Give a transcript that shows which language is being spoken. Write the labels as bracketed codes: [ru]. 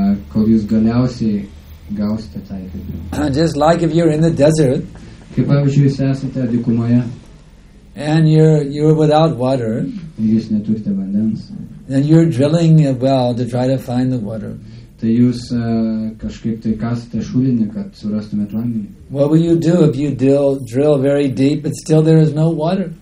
[lt] Kol jūs galiausiai gausite tą įkvėpimą. [en] Just like if you're in the desert. [lt] Kaip pavyzdžiui, jūs esate dykumoje. [en] And you're without water. [lt] Jūs neturite vandens. [en] And you're drilling a well to try to find the water. [lt] Tai jūs kažkaip tai kasite šulinį, kad surastumėt vandenį. [en] What will you do if you drill very deep, but still there is no water?